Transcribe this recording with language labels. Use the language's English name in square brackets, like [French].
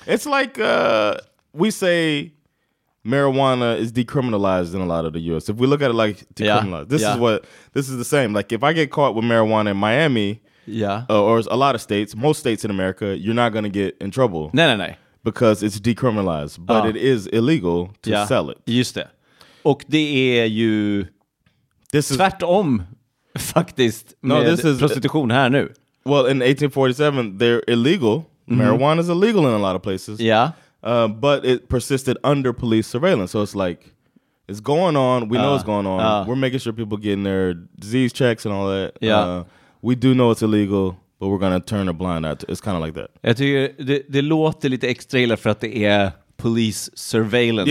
[English] It's like we say marijuana is decriminalized in a lot of the US. If we look at it like decriminalized, this is the same. Like if I get caught with marijuana in Miami, or a lot of states, most states in America, you're not going to get in trouble. [Swedish] Nej, nej, nej. [English] Because it's decriminalized, but it is illegal to sell it. [Swedish] Just det. Och det är ju tvärtom faktiskt med prostitution här nu. [English] Well, in 1847, they're illegal. Mm-hmm. Marijuana is illegal in a lot of places. Yeah. But it persisted under police surveillance. So it's like, it's going on. We know it's going on. We're making sure people getting their disease checks and all that. Yeah. we do know it's illegal, but we're gonna turn a blind eye. It's kind of like that. [Swedish] Jag tycker det låter lite extra illa för att det är [English] police surveillance.